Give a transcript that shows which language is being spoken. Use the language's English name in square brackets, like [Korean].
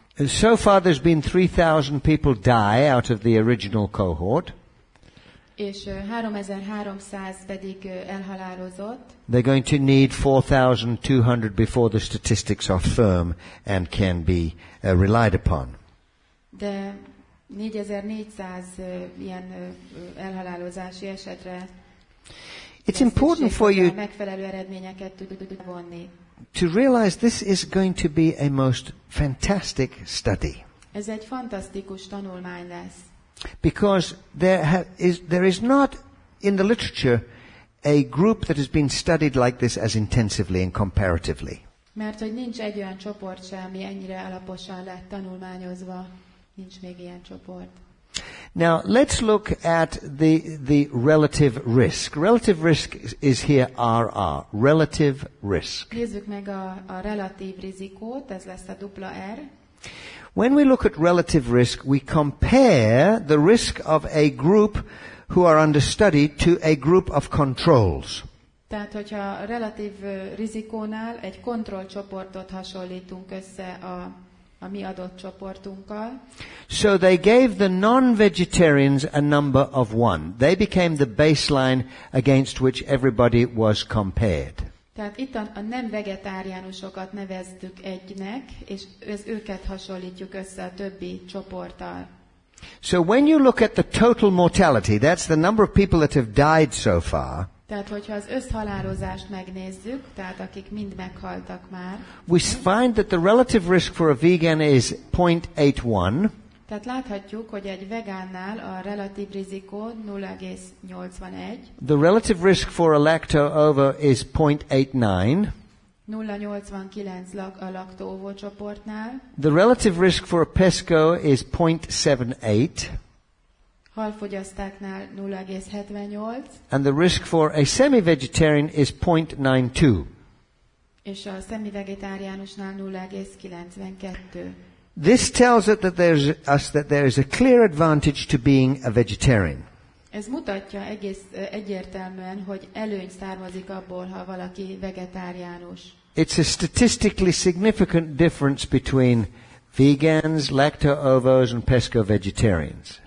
[English] So far there's been 3,000 people die out of the original cohort. [Hungarian] És 3,300 pedig elhalálozott. [English] They're going to need 4,200 before the statistics are firm and can be relied upon. [Hungarian] De 4,400 ilyen elhalálozási esetre. [English] It's important for you [Hungarian] megfelelő eredményeket tud vonni. [English] To realize this is going to be a most fantastic study. [Hungarian] Ez egy fantasztikus tanulmány lesz. [English] Because there is not in the literature a group that has been studied like this as intensively and comparatively. [Hungarian] Mert hogy nincs egy olyan csoport sem, ami ennyire alaposan lett tanulmányozva. Nincs még ilyen csoport. [English] Now let's look at the relative risk. Relative risk is here RR. Relative risk. [Hungarian] Nézzük meg a relatív rizikót, ez lesz a dupla R. [English] When we look at relative risk, we compare the risk of a group who are under study to a group of controls. [Hungarian] Tehát, hogyha relatív rizikónál egy kontrollcsoportot hasonlítunk össze a mi adott csoportunkkal. [English] So they gave the non-vegetarians a number of one. They became the baseline against which everybody was compared. [Hungarian] Tehát itt a nem vegetáriánusokat neveztük egynek, és őket hasonlítjuk össze a többi csoporttal. [English] So when you look at the total mortality, that's the number of people that have died so far. [Hungarian] Tehát hogyha az összhalálozást megnézzük, tehát akik mind meghaltak már. [English] We find that the relative risk for a vegan is 0.81. [Hungarian] Tehát láthatjuk, hogy egy vegánnál a relatív rizikó 0.81. [English] The relative risk for a lacto ovo is 0.89. [Hungarian] 0.89 a lacto ovo csoportnál. [English] The relative risk for a pesco is 0.78. [Hungarian] Halfogyasztáknál 0.78. [English] And the risk for a semi-vegetarian is 0.92. [Hungarian] És a semi-vegetáriánusnál 0.92. [English] This tells us that there is a clear advantage to being a vegetarian. [Hungarian] Ez mutatja egyértelműen, hogy előny származik abból, ha valaki vegetáriánus. [English] It's a statistically significant difference between vegans, lacto-ovos and pesco-vegetarians.